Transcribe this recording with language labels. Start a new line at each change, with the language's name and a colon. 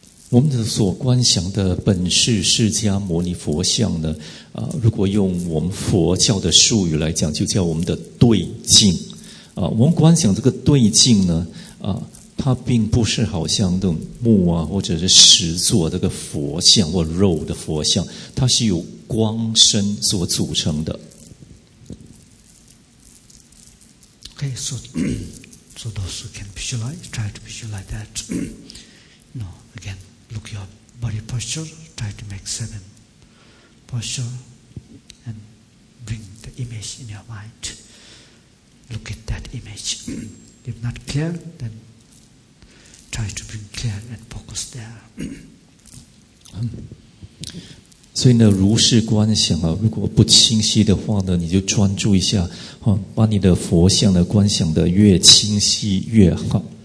Chinese: 我们的所观想的本是释迦牟尼佛像呢、如果用我们佛教的术语来讲，就叫我们的对境、我们观想这个对境呢、它并不是好像那种木啊或者是石做这个佛像或肉的佛像，它是由光身所组成的。
English: Okay, so those who can visualize, try to visualize that. No, again, look your body posture, try to make seven posture, and bring the image in your mind. Look at that image. If not clear, then try to bring clear and focus there.
Chinese: 所以呢，如是观想啊，如果不清晰的话呢，你就专注一下，哈，把你的佛像呢观想的越清晰越好。